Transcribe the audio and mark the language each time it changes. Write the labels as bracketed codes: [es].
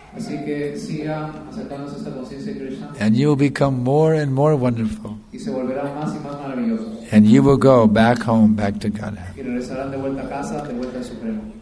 [es] Así que sigan acercándose a esta conciencia de Krishna. [en] And you will become more and more wonderful. [es] Y se volverán más y más maravillosos. [en] And you will go back home, back to Godhead. [es] Y regresarán de vuelta a casa, de vuelta al Supremo.